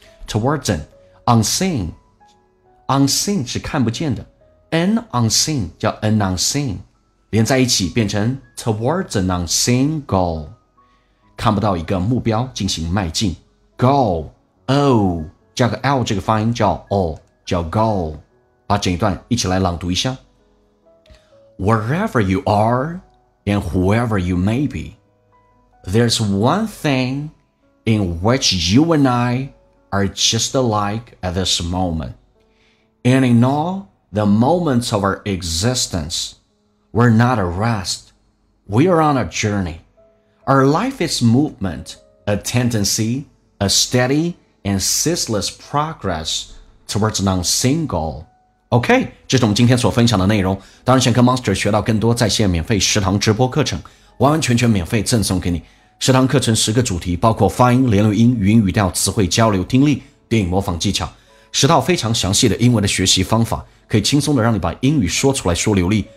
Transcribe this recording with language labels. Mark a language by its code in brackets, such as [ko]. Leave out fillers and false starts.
[zh] Towards an unseen 是看不见的， an unseen 叫 an unseen，连在一起变成 [en] towards an unseen goal， [zh] 看不到一个目标进行迈进。 goal o 加个 l 这个发音叫 o 叫 goal。把整一段一起来朗读一下。 [en] Wherever you are and whoever you may be， There's one thing in which you and I are just alike at this moment， And in all the moments of our existenceWe're not at rest. We are on a journey. Our life is movement, a tendency, a steady and ceaseless progress towards an unseen goal. [zh] OK， 这是我们今天所分享的内容。当然想跟 Monster 学到更多在线免费食堂直播课程，完完全全免费赠送给你。食堂课程十个主题，包括发音、连读音、语音语调、词汇交流、听力、电影模仿技巧，十套非常详细的英文的学习方法，可以轻松的让你把英语说出来说流利。